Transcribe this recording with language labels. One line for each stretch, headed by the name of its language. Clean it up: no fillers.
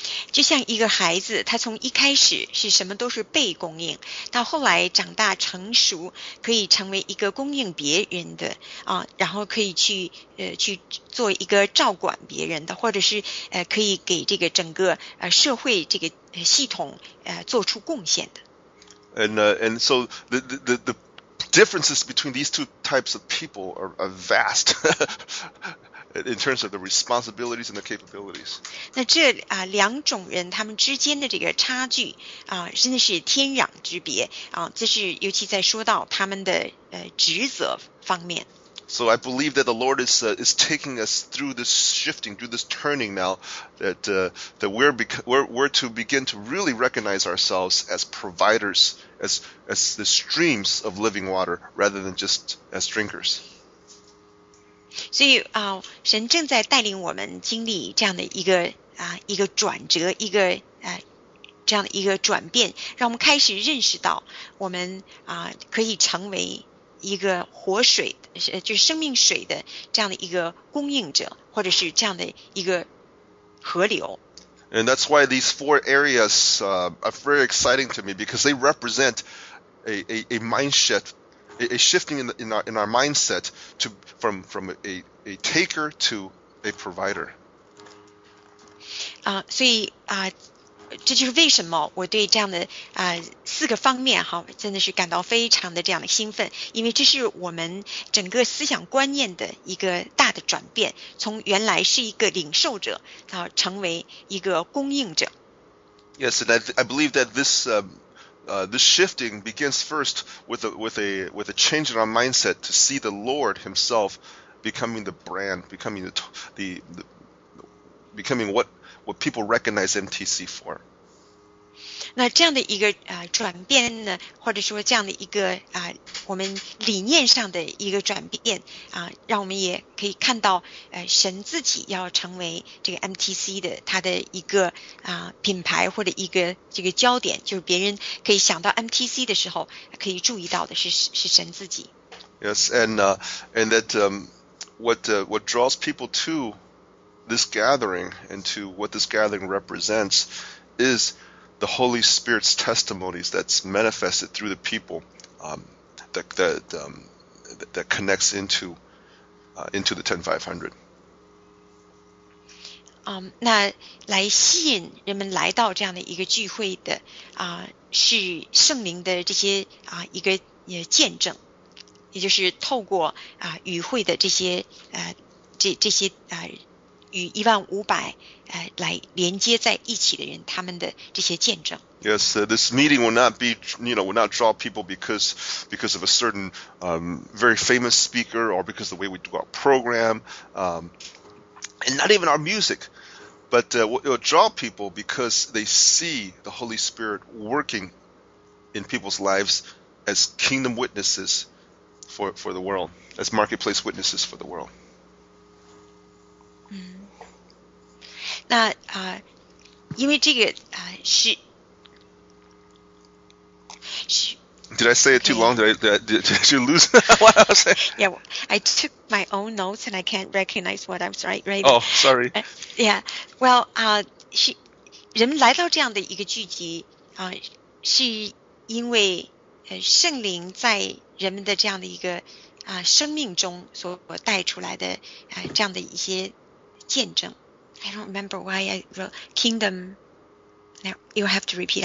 Chinese: 就像一个孩子，他从一开始是什么都是被供应，到后来长大成熟，可以成为一个供应别人的然后可以去做一个照管别人的，或者是可以给这个整个社会这个系统做出贡献的。
English: And so the differences between these two types of people are vast. In terms of the responsibilities and the capabilities.
Chinese: 那这两种人他们之间的这个差距真的是天壤之别这是尤其在说到他们的职责方面。
English: So I believe that the Lord is taking us through this shifting, through this turning now, that that we're to begin to really recognize ourselves as providers, as the streams of living water, rather than just as drinkers.
Chinese: 所以神正在带领我们经历这样的一个转折，这样的一个转变，让我们开始认识到我们可以成为一个活水，就是生命水的这样的一个供应者，或者是这样的一个河流。
English: And that's why these four areas are very exciting to me because they represent a mindset. A shifting in our mindset to from a taker to a provider.
Chinese: 所以这就是为什么我对这样的四个方面哈，真的是感到非常的这样的兴奋，因为这是我们整个思想观念的一个大的转变，从原来是一个领受者，到成为一个供应者。
English: Yes, and I believe that this. This shifting begins first with a change in our mindset to see the Lord Himself becoming the brand, becoming the becoming what people recognize MTC for.
Chinese: 那这样的一个转变呢，或者说这样的一个我们理念上的一个转变让我们也可以看到神自己要成为这个 MTC 的它的一个品牌或者一个这个焦点，就是别人可以想到 MTC 的时候可以注意到的是神自己。
English: Yes, and that what draws people to this gathering and to what this gathering represents is. The Holy Spirit's testimonies that's manifested through the people that connects into the 10500.
Chinese: 那来吸引人们来到这样的一个聚会的是圣灵的这些一个见证，也就是透过与会的这些这些与一万五百来连接在一起的人，他们的这些见证。
English: Yes, this meeting will not be, you know, will not draw people because of a certain very famous speaker or because of the way we do our program, and not even our music, but it will draw people because they see the Holy Spirit working in people's lives as kingdom witnesses for the world, as marketplace witnesses for the world.
Chinese: 那因为这个是。
English: Did I say it too long? Did you lose what I was saying? Yeah, I took my own notes and I can't recognize what I was writing. Oh, sorry.
Chinese: Well, 人来到这样的一个聚集啊，是因为圣灵在人们的这样的一个生命中所带出来的这样的一些见证。
English: I don't remember why I wrote kingdom. Now you'll have to repeat.